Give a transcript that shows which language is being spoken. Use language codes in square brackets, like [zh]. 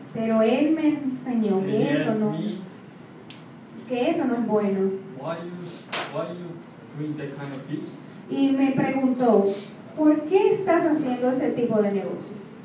[es] Pero él me enseñó que eso no, que eso no es bueno. [en] Why you doing that kind of business? [es] Y me preguntó, ¿por qué estás haciendo ese tipo de negocio?